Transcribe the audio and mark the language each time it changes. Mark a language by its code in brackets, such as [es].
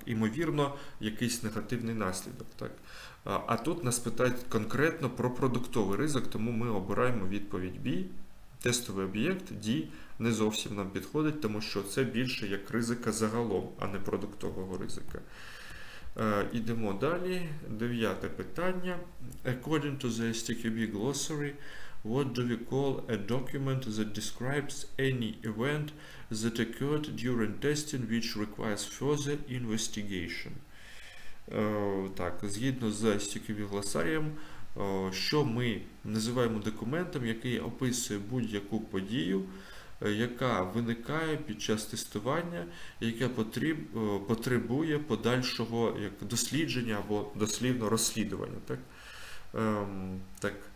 [uk] Імовірно, якийсь негативний наслідок, так? А тут нас питають конкретно про продуктовий ризик, тому ми обираємо відповідь B. Тестовий об'єкт D не зовсім нам підходить, тому що це більше як ризика загалом, а не продуктового ризика. Ідемо далі. Дев'яте питання. [en] According to the HTTP glossary, what do we call a document that describes any event that occurred during testing which requires further investigation? [uk] Так, згідно з HTTP глосарієм, що ми називаємо документом, який описує будь-яку подію, яка виникає під час тестування, яка потребує подальшого як дослідження або дослівного розслідування. Так? Так.